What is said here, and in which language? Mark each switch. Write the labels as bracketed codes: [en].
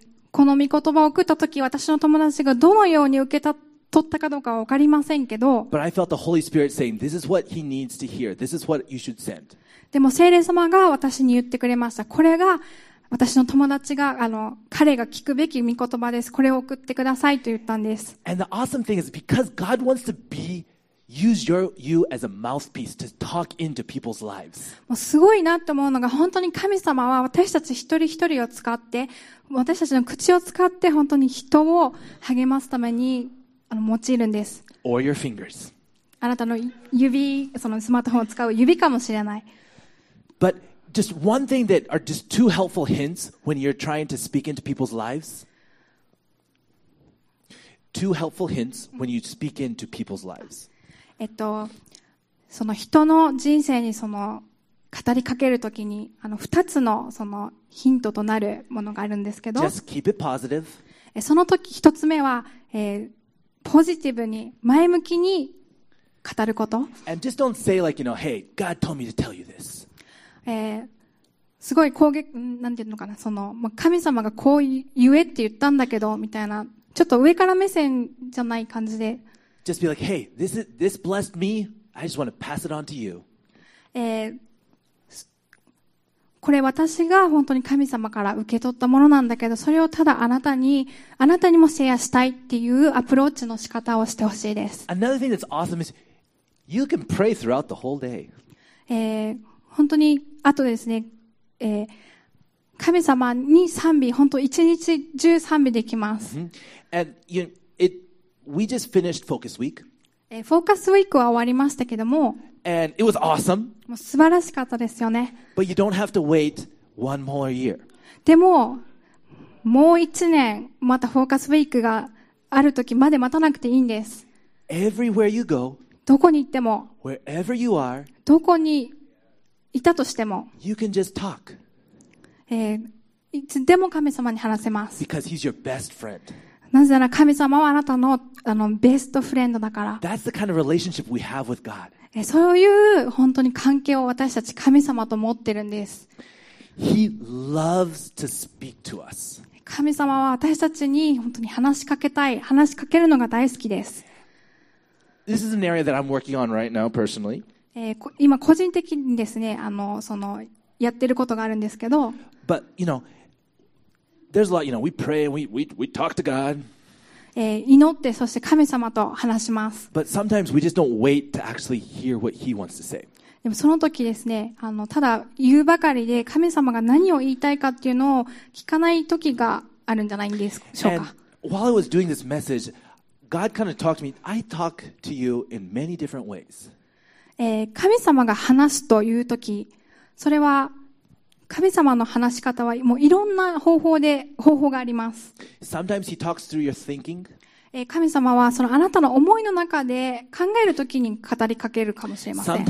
[ja] この御言葉を送った時、私の友達がどのように受け取ったかどうかは分かりませんけど、 [en] But I felt the Holy Spirit saying This is what he needs to hear. This is what you should send. [ja] でも聖霊様が私に言ってくれました。これが私の友達が彼が聞くべき御言葉です。これを送ってくださいと言ったんです。 [en] And the awesome thing is because God wants to be use you as a mouthpiece to talk into people's lives. [ja] もうすごいなと思うのが、本当に神様は私たち一人一人を使って、私たちの口を使って本当に人を励ますために用いるんです。 [en] Or your fingers. [ja] あなたの指、そのスマートフォンを使う指かもしれない。 [en] But just one thing that are just two helpful hints when you're trying to speak into people's lives. Two helpful hints when you speak into people's lives. [ja] その人の人生にその語りかけるときに二つのそのヒントとなるものがあるんですけど。 [en] Just keep it positive. [ja] その時一つ目は、ポジティブに前向きに語ること。 [en] And just don't say like, you know, hey, God told me to tell you this. [ja] すごい攻撃、なんていうのかな、その、まあ、神様がこう言えって言ったんだけど、みたいな、ちょっと上から目線じゃない感じで。 [en] Just be like, hey, this blessed me, I just want to pass it on to you. [ja] これ私が本当に神様から受け取ったものなんだけど、それをただあなたにもシェアしたいっていうアプローチの仕方をしてほしいです。 [en] Another thing that's awesome is you can pray throughout the whole day. [ja] 本当にあとですね、神様に賛美、本当一日中賛美できます。 Mm-hmm. [en] And you, it, we just finished Focus Week. [ja] Focus Week は終わりましたけども。 [en] And it was awesome. [ja] もう素晴らしかったですよね。 [en] But you don't have to wait one more year. [ja] でも、もう一年、またフォーカスウィークがあるときまで待たなくていいんです。 [en] Everywhere you go, [ja] どこに行っても、 [en] wherever you are, [ja] どこにいたとしても、 [en] you can just talk. [ja] いつでも神様に話せます。 [en] Because he's your best friend. [ja] なぜなら神様はあなたの、ベストフレンドだから。 [en] That's the kind of relationship we have with God. [ja] そういう本当に関係を私たち神様と持ってるんです。 [en] He loves to speak to us. [ja] 神様は私たちに本当に話しかけたい、話しかけるのが大好きです。 [en] This is an area that I'm working on right now, personally. [ja] 今個人的にですね、やってることがあるんですけど。 [en] But, you know,There's a lot, you know, we pray and we talk to God. [ja] 祈ってそして神様と話します。 [en] But sometimes we just don't wait to actually hear what He wants to say. [ja] でもその時ですね、ただ言うばかりで神様が何を言いたいかっていうのを聞かない時があるんじゃないんでしょうか。 [en] And while I was doing this message, God kind of talked to me. I talk to you in many different ways. [ja] 神様が話すという時、それは神様の話し方はもういろんな方法があります。 [en] Sometimes he talks through your thinking. [ja] 神様はそのあなたの思いの中で考えるときに語りかけるかもしれません。